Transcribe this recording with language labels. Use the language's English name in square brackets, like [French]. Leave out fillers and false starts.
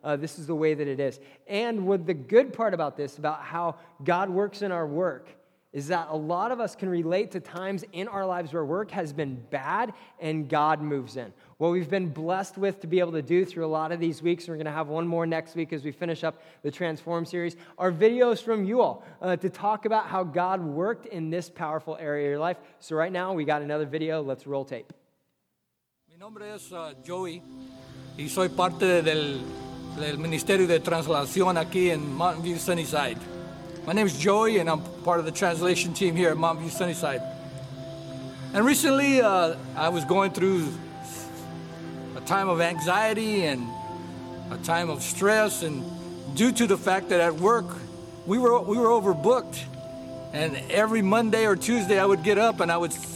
[English] This is the way that it is. And what the good part about this, about how God works in our work, is that a lot of us can relate to times in our lives where work has been bad and God moves in. What we've been blessed with to be able to do through a lot of these weeks, and we're going to have one more next week as we finish up the Transform series, are videos from you all to talk about how God worked in this powerful area of your life. So right now, we got another video. Let's roll tape. [Spanish] Mi nombre es Joey, y soy parte del Ministerio de Translación aquí en Mountain View Sunnyside. [English] My name is Joey, and I'm part of the translation team here at Mountain View Sunnyside. And recently, I was going through a time of anxiety and a time of stress, and due to the fact that at work we were overbooked, and every Monday or Tuesday I would get up and I would